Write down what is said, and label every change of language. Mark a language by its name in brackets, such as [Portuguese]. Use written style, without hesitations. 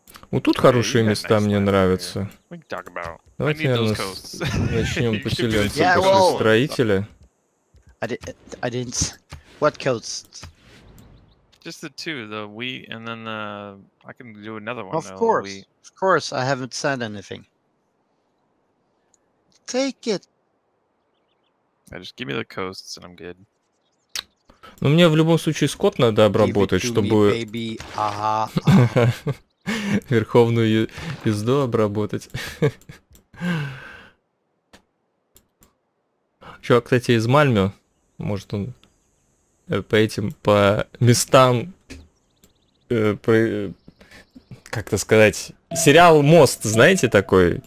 [Russian] Вот тут хорошие места мне нравятся. Давайте, наверное, начнем поселяться после строителя. [English] What coast? Just the two, the wheat, and then the... I can do another one. Of course. Of course, I haven't said anything. Take it. Yeah, just give me the coasts, and I'm good. [Russian] Ну, мне в любом случае скот надо обработать, чтобы... [English] Give it to me, baby. [Russian] Ага. Верховную езду обработать. Чувак, кстати, из Мальмё. Может, он... по этим, по местам, как-то сказать, сериал «Мост», знаете такой?